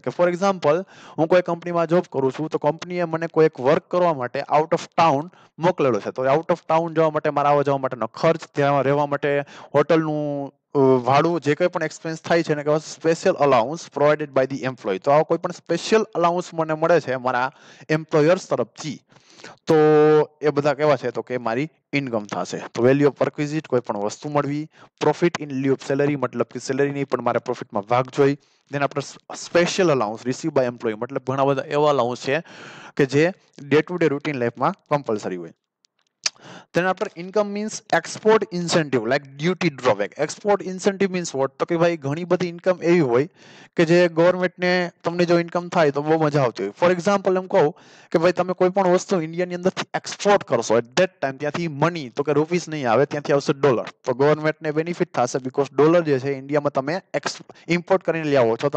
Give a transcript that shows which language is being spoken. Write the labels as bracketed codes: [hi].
[gu] કે for example હું કોઈ કંપનીમાં જોબ કરું છું તો કંપનીએ મને કોઈ એક વર્ક કરવા માટે આઉટ ઓફ ટાઉન મોકલેલો છે તો આઉટ ઓફ ટાઉન જવા માટે મારા આવવા જવા માટેનો ખર્ચ ત્યાં રહેવા માટે હોટલનું ભાડું જે કંઈ પણ એક્સપેન્સ થાય છે એને કહેવાય [en] Special allowance provided by the employee. [gu] તો આવો કોઈ પણ સ્પેશિયલ અલાઉન્સ મને મળે છે મારા એમ્પ્લોયર્સ તરફથી તો એ બધા કેવા છે તો કે મારી ઇન્કમ થશે. તો [en] value of perquisite [gu] કોઈ પણ વસ્તુ મળવી. [en] profit in lieu of salary [gu] મતલબ કે સેલરી નહીં પણ મારે પ્રોફિટમાં ભાગ જોઈ. દેન આપણે [en] special allowance receive by employee [gu] મતલબ ઘણા બધા એવા અલાઉન્સ છે કે જે [en] day to day routine [gu] લાઈફમાં કમ્પલસરી હોય. [en] Then after income means export incentive like duty drawback. Export incentive means what? [gu] તો કે ભાઈ ઘણી બધી ઇન્કમ એવી હોય કે જે ગવર્નમેન્ટને તમને જો ઇન્કમ થાય તો બહુ મજા આવતી હોય. [en] for example [gu] એમ કહું કે ભાઈ તમે કોઈ પણ વસ્તુ ઇન્ડિયાની અંદરથી એક્સપોર્ટ કરશો [en] at that time [gu] ત્યાંથી મની તો કે રૂપીસ નહીં આવે ત્યાંથી આવશે ડોલર. તો ગવર્નમેન્ટને બેનિફિટ થશે બીકોઝ ડોલર જે છે ઇન્ડિયામાં તમે ઇમ્પોર્ટ કરીને લઈ આવો છો.